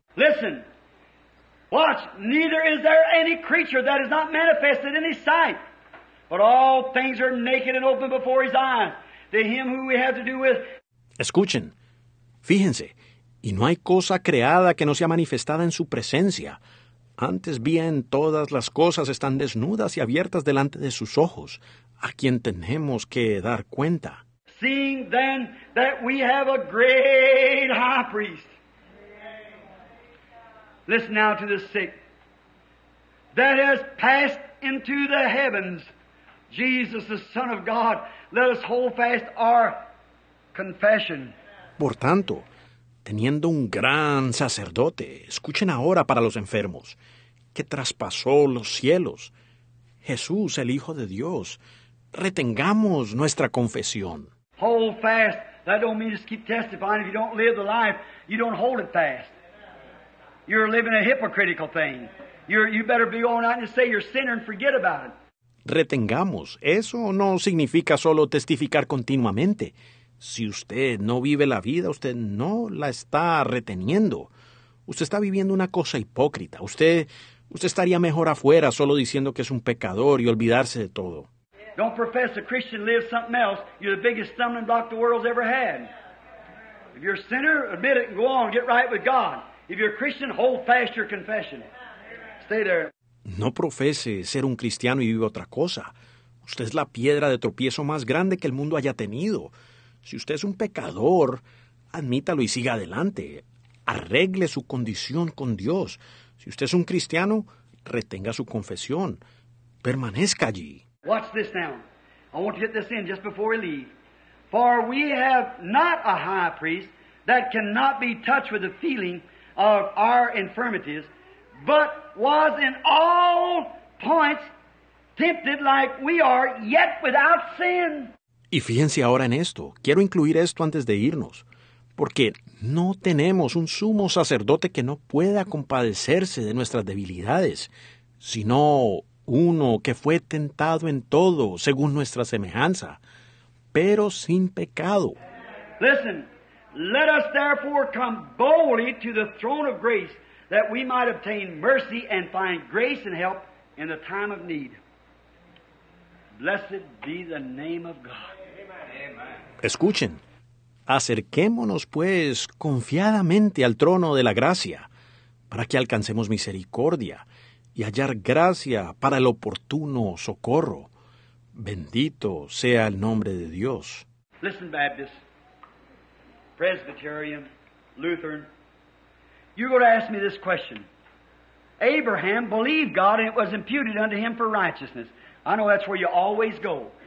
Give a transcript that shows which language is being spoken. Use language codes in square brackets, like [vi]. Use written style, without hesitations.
[en] Listen. Watch. Neither is there any creature that is not manifested in his sight. But all things are naked and open before his eyes. To him who we have to do with. [es] Escuchen. Fíjense. Y no hay cosa creada que no sea manifestada en su presencia. Antes bien, todas las cosas están desnudas y abiertas delante de sus ojos, a quien tenemos que dar cuenta. [en] Seeing then that we have a great high priest. Listen now to the sick. That has passed into the heavens, Jesus, the Son of God. Let us hold fast our confession. [es] Por tanto, teniendo un gran sacerdote, escuchen ahora para los enfermos, que traspasó los cielos, Jesús, el Hijo de Dios, retengamos nuestra confesión. [en] Hold fast. That don't mean just keep testifying. If you don't live the life, you don't hold it fast. You're living a hypocritical thing. You better be going out and say you're a sinner and forget about it. [es] Retengamos. Eso no significa solo testificar continuamente. Si usted no vive la vida, usted no la está reteniendo. Usted está viviendo una cosa hipócrita. Usted estaría mejor afuera solo diciendo que es un pecador y olvidarse de todo. [en] Don't profess a Christian lives something else. You're the biggest stumbling block the world's ever had. If you're a sinner, admit it and go on. Get right with God. If you're a Christian, hold fast your confession. Stay there. [es] No profese ser un cristiano y vive otra cosa. Usted es la piedra de tropiezo más grande que el mundo haya tenido. Si usted es un pecador, admítalo y siga adelante. Arregle su condición con Dios. Si usted es un cristiano, retenga su confesión. Permanezca allí. [en] Watch this now. I want to get this in just before we leave. For we have not a high priest that cannot be touched with the feeling of our infirmities, but was in all points tempted like we are, yet without sin. [es] Y fíjense ahora en esto. Quiero incluir esto antes de irnos. Porque no tenemos un sumo sacerdote que no pueda compadecerse de nuestras debilidades, sino uno que fue tentado en todo, según nuestra semejanza, pero sin pecado. [en] Listen, let us therefore come boldly to the throne of grace, that we might obtain mercy and find grace and help in the time of need. Blessed be the name of God. [es] Escuchen. Acerquémonos, pues, confiadamente al trono de la gracia, para que alcancemos misericordia y hallar gracia para el oportuno socorro. Bendito sea el nombre de Dios. [en] Listen, Baptist, Presbyterian, Lutheran, you're going to ask me this question. Abraham believed God and it was imputed unto him for righteousness. I know that's where you always go.